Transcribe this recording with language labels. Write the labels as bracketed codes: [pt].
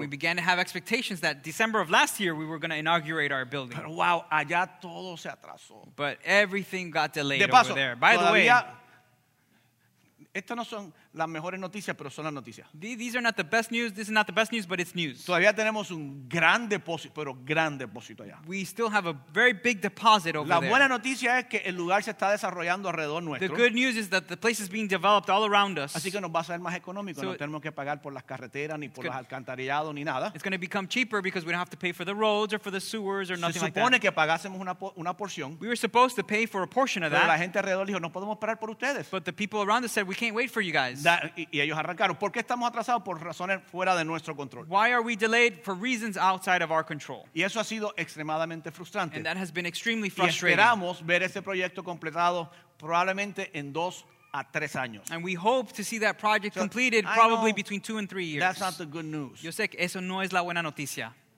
[en] We began to have expectations that December of last year we were going to inaugurate our building. [es] Pero wow, allá todo se atrasó. [en] But everything got delayed [es] de paso, [en] over there. By [es] todavía, [en] the way, [es] estas no son las mejores noticias, pero son las noticias. [en] These are not the best news. This is not the best news, but it's news. [es] Todavía tenemos un gran depósito, pero gran depósito allá. [en] We still have a very big deposit over there. [es] buena noticia es que el lugar se está desarrollando alrededor nuestro. [en] The good news is that the place is being developed all around us. [es] Así que nos va a ser más económico. So no tenemos que pagar por las carreteras, ni por los alcantarillados, ni nada. [en] It's going to become cheaper because we don't have to pay for the roads or for the sewers or nothing like that. [es] Se supone que pagásemos una porción. [en] We were supposed to pay for a portion of [es] pero [en] that. [es] Pero la gente alrededor dijo, no podemos esperar por ustedes. [en] But the people around us said, we can't wait for you guys. [es] Y ellos arrancaron. ¿Por qué estamos atrasados? Por razones fuera de nuestro control. [en] Why are we delayed? For reasons outside of our control. [es] Y eso ha sido extremadamente frustrante. [en] And that has been extremely frustrating. [es] Y esperamos ver ese proyecto completado probablemente en 2 a 3 años. [en] And we hope to see that project completed probably between 2 and 3 years. That's not the good news. [es] Yo sé que eso no es la buena noticia.